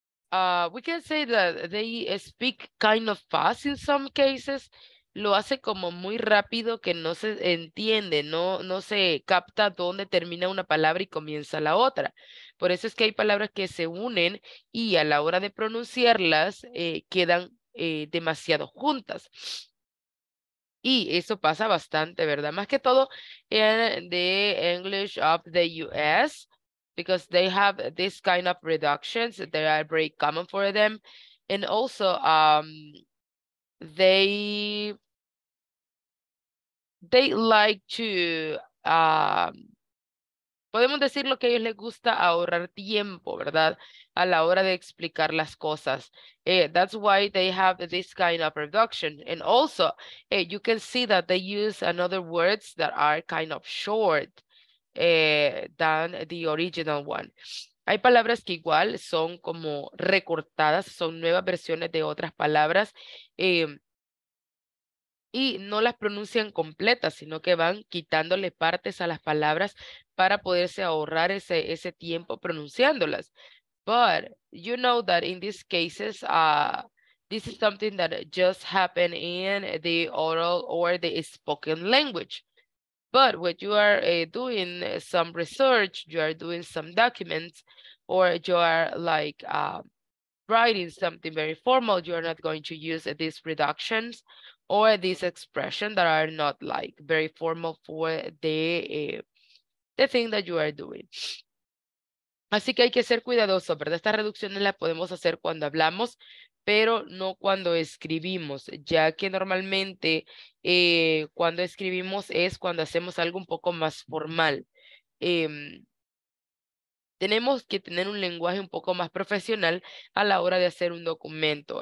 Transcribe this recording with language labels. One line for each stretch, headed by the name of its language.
English: We can say that they speak kind of fast in some cases.
Spanish: Lo hace como muy rápido que no se entiende, no se capta dónde termina una palabra y comienza la otra. Por eso es que hay palabras que se unen y a la hora de pronunciarlas quedan demasiado juntas. Y eso pasa bastante, ¿verdad? Más que todo en
English: the English of the US. Because they have this kind of reductions that are very common for them. And also, they like to,
Spanish: podemos decir lo que a ellos les gusta ahorrar tiempo, ¿verdad? A la hora de explicar las cosas.
English: That's why they have this kind of reduction. And also, you can see that they use another words that are kind of short. Than the original one.
Spanish: Hay palabras que igual son como recortadas, son nuevas versiones de otras palabras y no las pronuncian completas, sino que van quitándole partes a las palabras para poderse ahorrar ese tiempo pronunciándolas.
English: But you know that in these cases, this is something that just happened in the oral or the spoken language. But when you are doing some research, you are doing some documents, or you are like writing something very formal, you are not going to use these reductions or these expressions that are not like very formal for the thing that you are doing.
Spanish: Así que hay que ser cuidadoso, ¿verdad? Estas reducciones las podemos hacer cuando hablamos, pero no cuando escribimos, ya que normalmente cuando escribimos es cuando hacemos algo un poco más formal. Tenemos que tener un lenguaje un poco más profesional a la hora de hacer un documento.